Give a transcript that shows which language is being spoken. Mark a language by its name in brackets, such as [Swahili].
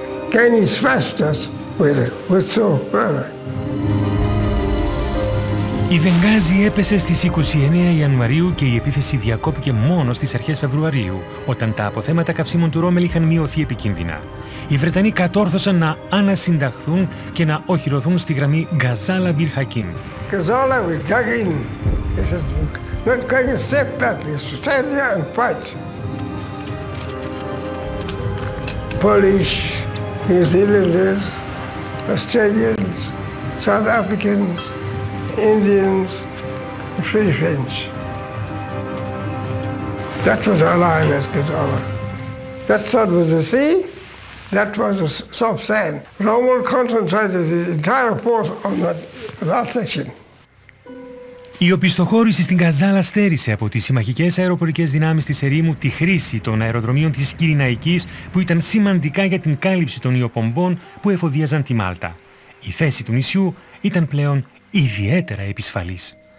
[English] Kenny smashed us with it. We're so better. [Greek] Η Βενγκάζη έπεσε στις 29 Ιανουαρίου και η επίθεση διακόπηκε μόνο στις αρχές Φεβρουαρίου, όταν τα αποθέματα καυσίμων του Ρόμελ είχαν μειωθεί επικίνδυνα. Οι Βρετανοί κατόρθωσαν να ανασυνταχθούν και να οχυρωθούν στη γραμμή Γκαζάλα Μπιρ Χακίμ. Γκαζάλα Μπιρ Χακίμ. [English] He said, not going to step back, stand there and fight. Polish, New Zealanders, Australians, South Africans, Indians, French. That was our line at Gazala. That side was the sea, that was the soft sand. Rommel concentrated his entire force on that last section. [Greek] Η οπισθοχώρηση στην Γκαζάλα στέρισε από τις συμμαχικές αεροπορικές δυνάμεις της ερήμου τη χρήση των αεροδρομίων της Κυριναϊκής, που ήταν σημαντικά για την κάλυψη των ιοπομπών που εφοδίαζαν τη Μάλτα. Η θέση του νησιού ήταν πλέον ιδιαίτερα επισφαλής.